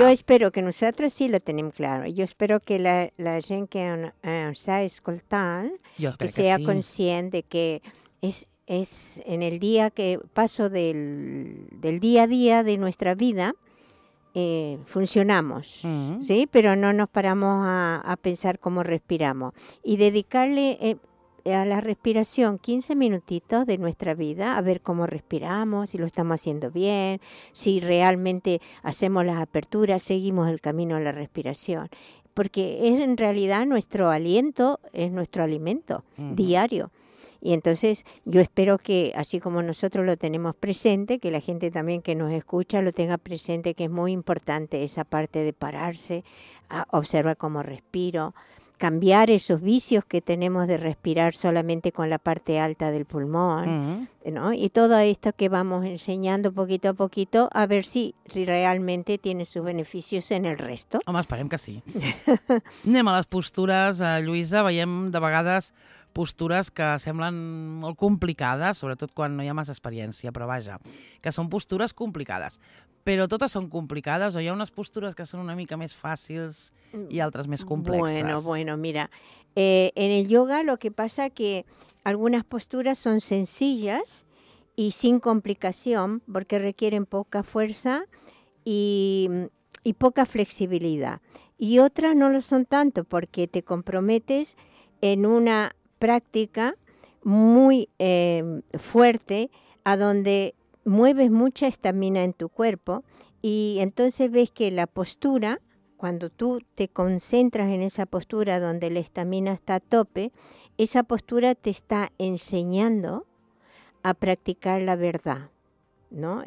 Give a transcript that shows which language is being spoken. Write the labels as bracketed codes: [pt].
[ca] Jo espero que nosaltres sí lo tenim clar. Jo espero que la gent que ens està escoltant que [es] sea sí. [ca] conscient de que és en el dia que passo del dia a dia de nostra vida, [es] funcionamos, ¿sí? Pero no nos paramos a pensar cómo respiramos. Y dedicarle a la respiración 15 minutitos de nuestra vida, a ver cómo respiramos, si lo estamos haciendo bien, si realmente hacemos las aperturas, seguimos el camino de la respiración. Porque es en realidad nuestro aliento, es nuestro alimento diario. Y entonces yo espero que, así como nosotros lo tenemos presente, que la gente también que nos escucha lo tenga presente, que es muy importante esa parte de pararse, observar cómo respiro, cambiar esos vicios que tenemos de respirar solamente con la parte alta del pulmón, ¿no? Y todo esto que vamos enseñando poquito a poquito, a ver si realmente tiene sus beneficios en el resto. [ca] Home, esperem que sí. Anem a les postures, Lluïsa. Veiem de vegades postures que semblen molt complicades, sobretot quan no hi ha massa experiència, però vaja, que són postures complicades. Però totes són complicades, o hi ha unes postures que són una mica més fàcils i altres més complexes? [es] Bueno, bueno, mira, en el yoga lo que pasa que algunas posturas son sencillas y sin complicación porque requieren poca fuerza y poca flexibilidad. Y otras no lo son tanto porque te comprometes en una práctica muy fuerte, a donde mueves mucha estamina en tu cuerpo, y entonces ves que la postura, cuando tú te concentras en esa postura donde la estamina está a tope, esa postura te está enseñando a practicar la verdad, ¿no?